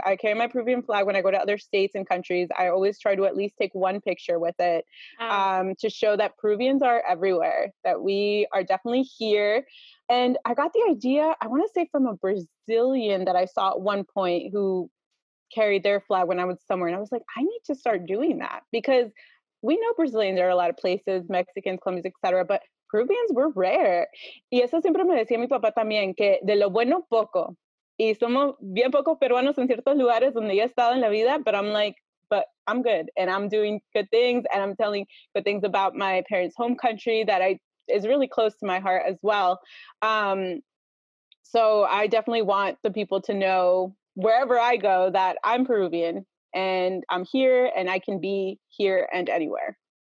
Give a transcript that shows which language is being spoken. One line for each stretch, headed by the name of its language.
English: I carry my Peruvian flag when I go to other states and countries. I always try to at least take one picture with it to show that Peruvians are everywhere, that we are definitely here. And I got the idea, I want to say, from a Brazilian that I saw at one point who carried their flag when I was somewhere. And I was like, I need to start doing that, because we know Brazilians are a lot of places, Mexicans, Colombians, et cetera, but Peruvians were rare.
Spanish: Y eso siempre me decía mi papá también, que de lo bueno poco. Y somos bien pocos peruanos en ciertos lugares donde yo he estado en la vida,
English: but I'm like, but I'm good and I'm doing good things and I'm telling good things about my parents' home country that is really close to my heart as well. So I definitely want the people to know wherever I go that I'm Peruvian and I'm here and I can be here and anywhere.